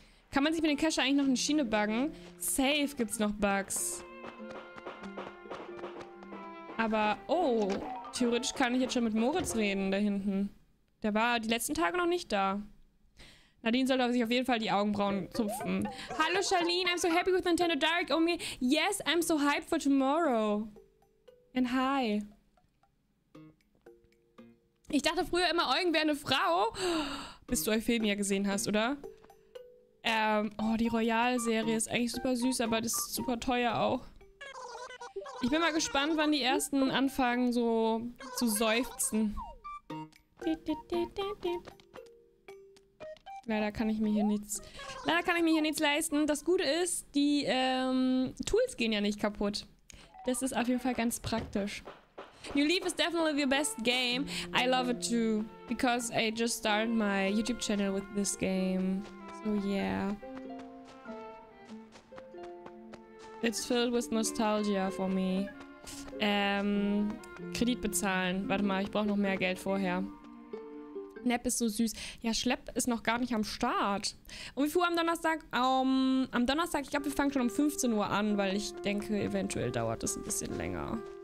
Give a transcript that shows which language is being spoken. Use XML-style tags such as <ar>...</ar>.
<de>Kann man sich mit den Cache eigentlich noch eine Schiene buggen? Safe gibt's noch Bugs. Aber, oh, theoretisch kann ich jetzt schon mit Moritz reden da hinten. Der war die letzten Tage noch nicht da. Nadine sollte sich auf jeden Fall die Augenbrauen zupfen.</de> <en>Hallo Charlene, I'm so happy with Nintendo Direct. Oh me. Yes, I'm so hyped for tomorrow. And hi.</en> <de>Ich dachte früher immer, Eugen wäre eine Frau. Bis du Euphemia gesehen hast, oder? Oh, die Royal-Serie ist eigentlich super süß, aber das ist super teuer auch. Ich bin mal gespannt, wann die ersten anfangen so zu seufzen. Leider kann ich mir hier nichts. Leider kann ich mir hier nichts leisten. Das Gute ist, die Tools gehen ja nicht kaputt. Das ist auf jeden Fall ganz praktisch.</de> <en>New Leaf is definitely the best game. I love it too. Because I just started my YouTube channel with this game. So yeah. It's filled with nostalgia for me.</en> <de>Kredit bezahlen. Warte mal, ich brauche noch mehr Geld vorher. Nepp ist so süß. Ja, Schlepp ist noch gar nicht am Start. Um wie viel Uhr am Donnerstag? Am Donnerstag, ich glaube, wir fangen schon um 15 Uhr an, weil ich denke, eventuell dauert es ein bisschen länger.</de>